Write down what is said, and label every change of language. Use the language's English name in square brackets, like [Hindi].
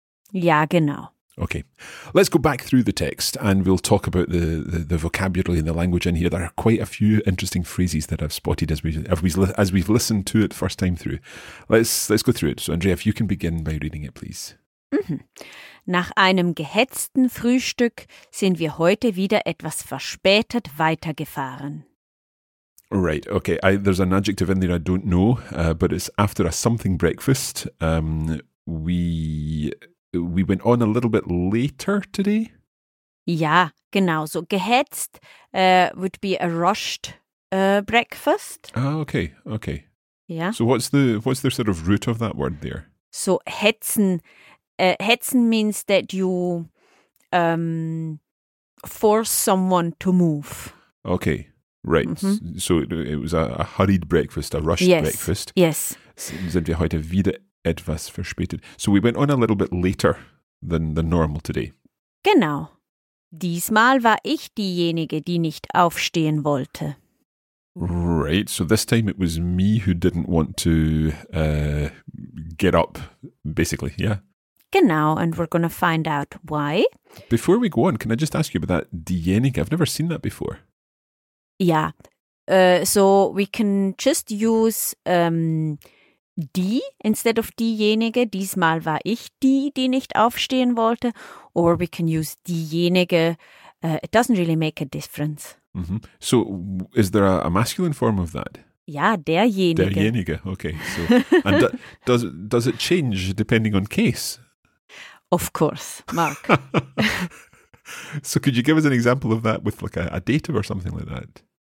[German] Ja, genau. [English] Okay. Let's go back through the text and we'll talk about the vocabulary and the language in here. There are quite a few interesting phrases that I've spotted as we've listened to it first time through. Let's go through it. So Andrea, if you can begin by reading it, please. Mm-hmm. [German] Nach einem gehetzten Frühstück sind wir heute wieder etwas verspätet weitergefahren. [English] Right, okay. There's an adjective in there I don't know, but it's after a something breakfast. We went on a little bit later today. [German] Ja, genau. [English] So gehetzt would be a rushed breakfast. Ah, okay, okay. Yeah. So what's the sort of root of that word there? So hetzen. Hetzen means that you force someone to move. Okay, right. Mm-hmm. So it was a hurried breakfast, a rushed breakfast. Yes. [German] Sind wir heute wieder etwas verspätet? [English] So we went on a little bit later than normal today. [German] Genau. Diesmal war ich diejenige, die nicht aufstehen wollte. [English] Right, so this time it was me who didn't want to get up, basically, yeah? Genau, and we're going to find out why. Before we go on, can I just ask you about that diejenige? I've never seen that before. Yeah. So we can just use die instead of diejenige. [German] Diesmal war ich die, die nicht aufstehen wollte. [English] Or we can use diejenige. It doesn't really make a difference. Mm-hmm. So is there a masculine form of that? [German] Ja, derjenige. [English] Derjenige, okay. So, and does it change depending on case? Of course, Mark. So could you give us an example of that with like a dative or something like that?